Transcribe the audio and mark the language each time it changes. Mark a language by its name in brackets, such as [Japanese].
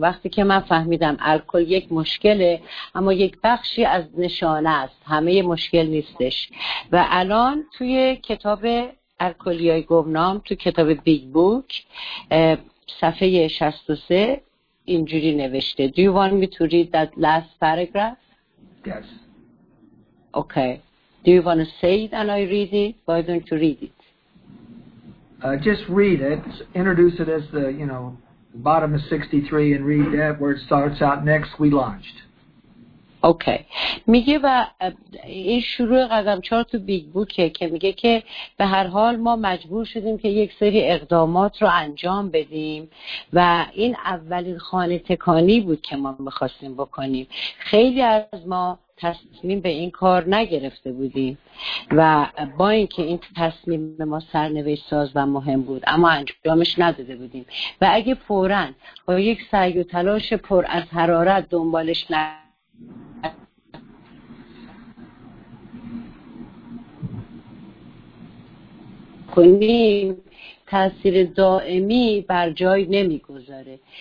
[Persian] وقتی که من فهمیدم الکل یک مشکله، اما یک بخشی از نشانه است. همه مشکل نیستش. و الان توی کتاب الکلیای گمنام، تو کتاب بیگ بوک، صفحه 63 اینجوری نوشته. [English] Do you want me to read that last paragraph? Yes. Okay. Do you want to say it and I read it? Why don't you read it? Just read it. Introduce it as the, you know, the bottom of 63 and read that where it starts out, next we launched. [Persian] اوکی میگه و این شروع قدم 4 تو بیگ بوکه که میگه که به هر حال ما مجبور شدیم که یک سری اقدامات رو انجام بدیم و این اولین خانه تکانی بود که ما میخواستیم بکنیم. خیلی از ما تصمیم به این کار نگرفته بودیم و با اینکه این تصمیم به ما سرنوشت ساز و مهم بود اما انجامش نداده بودیم و اگه فوراً با یک سعی و تلاش پر از حرارت دنبالش کنیم تأثیر دائمی بر جای نمیگذاره.